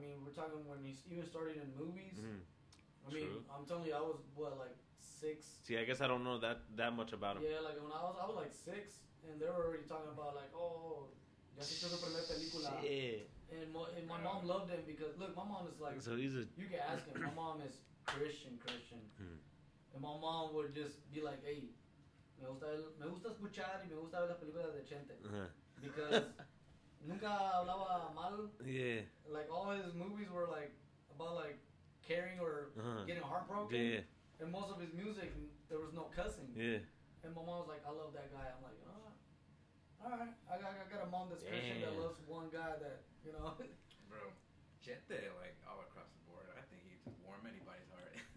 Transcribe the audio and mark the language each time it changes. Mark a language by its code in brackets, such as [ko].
[en] I mean, we're talking when he even started in movies. I mean, I'm telling you, I was, what, like six? See, I guess I don't know that much about him. Yeah, like when I was like six, and they were already talking about like, oh, [es] ya se hizo su primera película. [en] And my mom loved him because, look, my mom is like, so he's a, you can ask him, my mom is Christian. And my mom would just be like, hey, [es] me gusta escuchar y me gusta ver las películas de Chente. [en] Because [es] nunca hablaba mal. [en] Yeah. Like, all his movies were like, about like, caring or getting heartbroken. Yeah. And most of his music, there was no cussing. Yeah. And my mom was like, I love that guy. I'm like, alright, I got a mom that's Christian that loves one guy that, you know. Bro, Chente, like, all across the board, I think he just warmed anybody's heart.